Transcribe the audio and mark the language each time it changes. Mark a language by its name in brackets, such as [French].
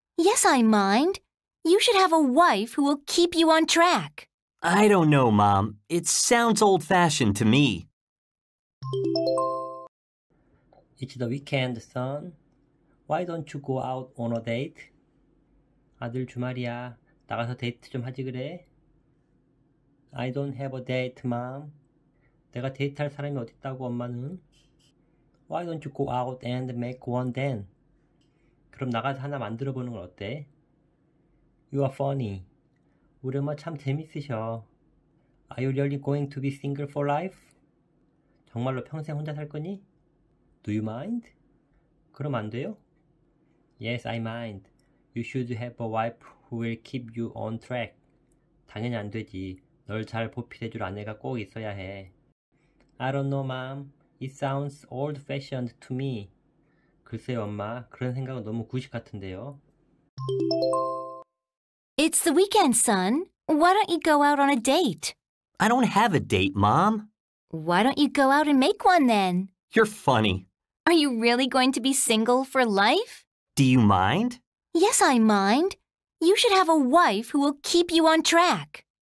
[English] Yes, I mind. You should have a wife who will keep you on track. I don't know, Mom. It sounds old-fashioned to me. It's the weekend, son. Why don't you go out on a date? [Korean] 아들 주말이야. 나가서 데이트 좀 하지 그래? [English] I don't have a date, Mom. [Korean] 내가 데이트할 사람이 어딨다고, 엄마는? [English] Why don't you go out and make one then? [Korean] 그럼 나가서 하나 만들어보는 건 어때? [English] You are funny. 우리 엄마 참 재밌으셔. Are you really going to be single for life? [Korean] 정말로 평생 혼자 살 거니? [English] Do you mind? 그럼 안 돼요? Yes, I mind. You should have a wife who will keep you on track. [Korean] 당연히 안 되지. 널 잘 보필해줄 아내가 꼭 있어야 해. [English] I don't know, Mom. It sounds old-fashioned to me. 글쎄요, 엄마. [Korean] 그런 생각은 너무 구식 같은데요. [English] It's the weekend, son. Why don't you go out on a date? I don't have a date, Mom. Why don't you go out and make one then? You're funny. Are you really going to be single for life? Do you mind? Yes, I mind. You should have a wife who will keep you on track.